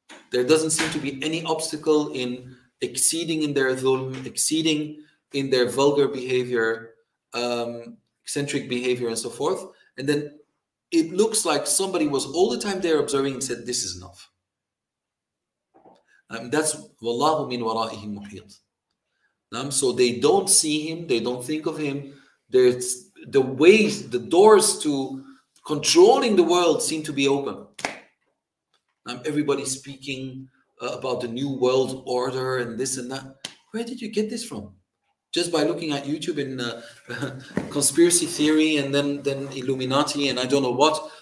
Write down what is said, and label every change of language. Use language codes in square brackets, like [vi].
[en] There doesn't seem to be any obstacle in exceeding in their zulm, exceeding in their vulgar behavior, eccentric behavior, and so forth. And then it looks like somebody was all the time there observing and said, this is enough. [ar] That's وَاللَّهُ مِنْ وَرَائِهِمْ مُحِيطٌ. [en] So they don't see Him, they don't think of Him. There's the ways, the doors to controlling the world seem to be open. Everybody speaking about the new world order and this and that. Where did you get this from? Just by looking at YouTube in conspiracy theory and then Illuminati and I don't know what.